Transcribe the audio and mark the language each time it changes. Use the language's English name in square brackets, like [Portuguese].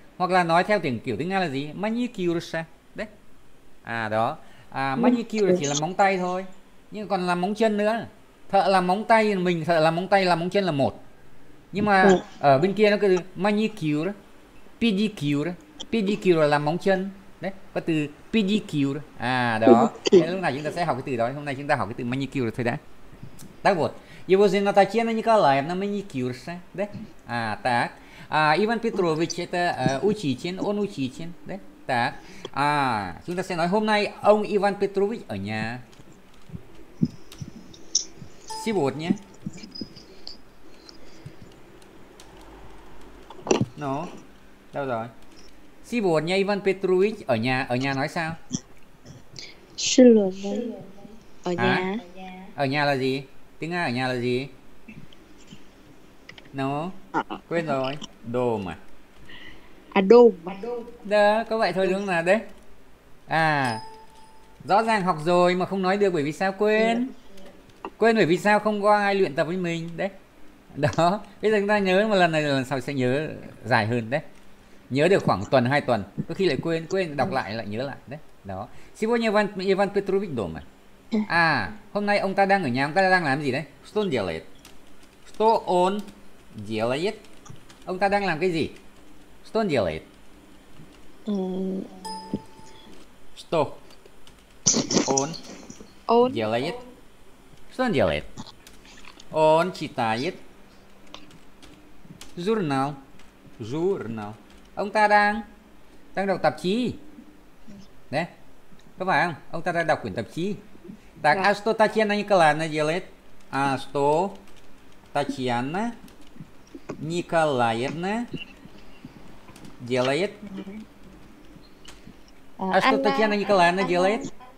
[Vietnamese] Hoặc là nói theo tiếng kiểu tiếng Nga là gì, manicure đấy, đó, manicure chỉ là móng tay thôi, nhưng còn làm móng chân nữa, thợ làm móng tay mình, thợ làm móng tay làm móng chân là một, nhưng mà ở bên kia nó cứ manicure, pedicure, pedicure là làm móng chân đấy, có từ pedicure, đó. Thế lúc nào chúng ta sẽ học cái từ đó, hôm nay chúng ta học cái từ manicure thôi đã. [Russian] Так вот, его жена Татьяна Николаевна маникюрша, да? Так. Иван Петрович это учитель, он учитель, да? Так. [Vietnamese] Chúng ta sẽ nói hôm nay ông Иван Петрович ở nhà. [Russian] Сегодня. Ну, [Vietnamese] đâu rồi? [Russian] Сегодня Иван Петрович [Vietnamese] ở nhà. Ở nhà nói sao? [Russian] Сегодня. [Vietnamese] Ở nhà. Ở nhà là gì? Tiếng Nga ở nhà là gì? No. Quên rồi. Đồ mà. À đồ. Đó, có vậy thôi đúng không nào đấy. Rõ ràng học rồi mà không nói được bởi vì sao, quên. Quên bởi vì sao, không có ai luyện tập với mình đấy. Đó, bây giờ chúng ta nhớ một lần này, lần sau sẽ nhớ dài hơn đấy. Nhớ được khoảng tuần, hai tuần. Có khi lại quên, quên đọc lại lại nhớ lại đấy. Đó. [Russian] Сегодня Иван, Иван Петрович дома. [Vietnamese] Hôm nay ông ta đang ở nhà, ông ta đang làm gì đấy? [Russian] Что он делает? Что он делает? [Vietnamese] Ông ta đang làm cái gì? [Russian] Что он делает? Что он делает? Что он делает? Он читает журнал. Журнал. [Vietnamese] Ông ta đang đọc tạp chí. Đấy. Có phải không? Ông ta đang đọc quyển tạp chí. [Russian] Так, а что Татьяна Николаевна делает? А что Татьяна Николаевна делает? А что Татьяна Николаевна делает?